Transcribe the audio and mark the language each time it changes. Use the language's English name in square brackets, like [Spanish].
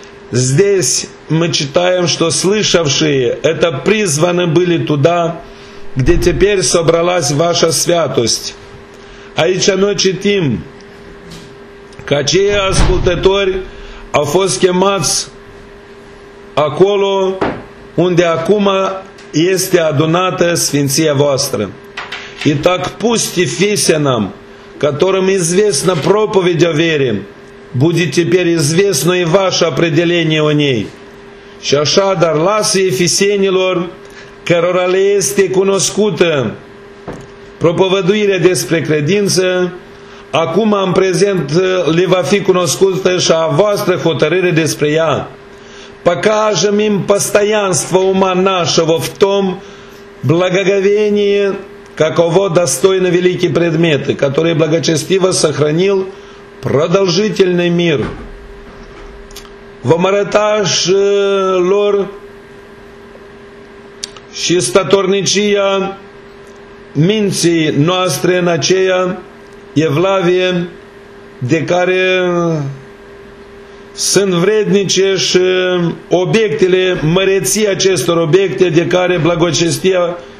[Russian] Здесь мы читаем, что слышавшие это призваны были туда, где теперь собралась ваша святость. [Romanian] Aici noi citim, că cei ascultători au fost chemați acolo unde acum este adunată Sfinția voastră. [Russian] И так пусть ефесянам, которым известна проповедь о вере, будет теперь известно и ваше определение о ней. [Romanian] Și așadar, lasă efesenilor, cărora le este cunoscută propovăduirea despre credință, acum în prezent le va fi cunoscută și a voastră hotărâre despre ea. [Russian] Покажем им постоянство ума нашего в том благоговении, каково достойны великие предметы, которые благочестиво сохранил продолжительный мир. [Romanian] Vom arăta și lor și statornicia minții noastre în aceea evlavie de care sunt vrednice și obiectele, măreția acestor obiecte de care blagocestia